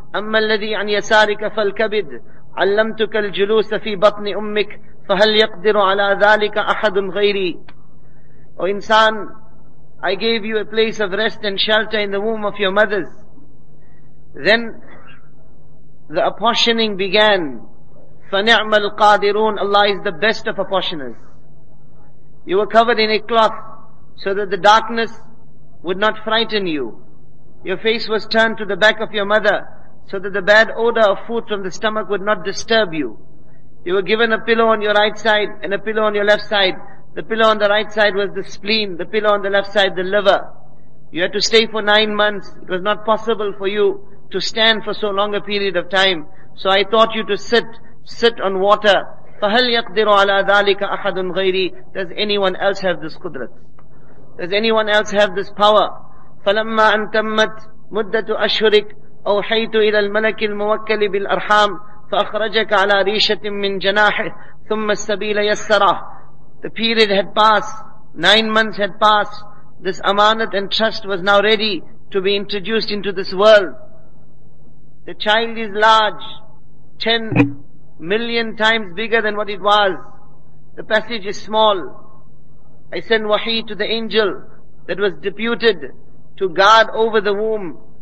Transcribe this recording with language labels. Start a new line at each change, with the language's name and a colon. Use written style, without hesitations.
Arabic: أما الذي عن يسارك فالكبد علمتك الجلوس في بطن أمك فهل يقدر على ذلك أحد غيري.
English: O insan, I gave you a place of rest and shelter in the womb of your mothers. Then the apportioning began.
Arabic: فَنِعْمَ الْقَادِرُونَ.
English: Allah is the best of apportioners. You were covered in a cloth so that the darkness would not frighten you. Your face was turned to the back of your mother, so that the bad odor of food from the stomach would not disturb you. You were given a pillow on your right side and a pillow on your left side. The pillow on the right side was the spleen, the pillow on the left side, the liver. You had to stay for 9 months. It was not possible for you to stand for so long a period of time. So I taught you to sit on water.
Arabic: فَهَلْ يَقْدِرُ عَلَىٰ ذَٰلِكَ أَحَدٌ غَيْرِي.
English: Does anyone else have this qudrat? Does anyone else have this power?
Arabic: فَلَمَّا أَن تَمَّتْ مُدَّةُ أَشْهُرِكْ أوحيتُ إلى الملك الموكل بالأرحام فأخرجك على ريشة من جناحه ثم السبيل يسره.
English: The period had passed, 9 months had passed. This amanat and trust was now ready to be introduced into this world. The child is large, 10 million times bigger than what it was. The passage is small. I send wahi to the angel that was deputed to guard over the womb.